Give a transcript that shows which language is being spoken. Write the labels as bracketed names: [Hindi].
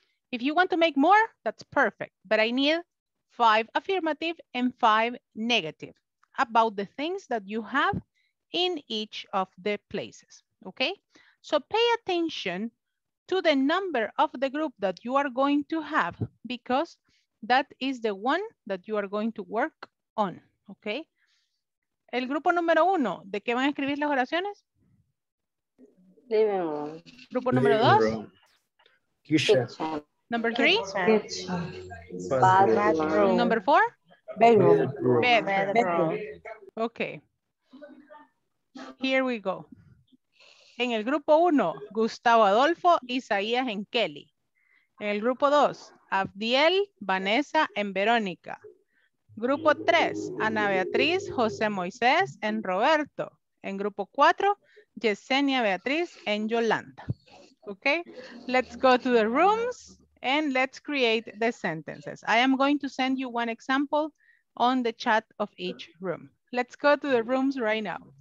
[English] If you want to make more, that's perfect, but I need 5 affirmative and 5 negative about the things that you have in each of the places. Okay, so pay attention to the number of the group that you are going to have, because that is the one that you are going to work on. [Spanish] Okay, el grupo número uno, ¿de qué van a escribir las oraciones? [English] Living room. [Spanish] Grupo número dos. [English] Kitchen. Number three. Bathroom. Number four. Bedroom. Bedroom. Okay, here we go. [Spanish] En el grupo 1, Gustavo Adolfo, Isaías y Kelly. En el grupo 2, Abdiel, Vanessa y Verónica. Grupo 3, Ana Beatriz, José Moisés y Roberto. En grupo 4, Yesenia, Beatriz, and Yolanda. [English] Okay, let's go to the rooms and let's create the sentences. I am going to send you one example on the chat of each room. Let's go to the rooms right now.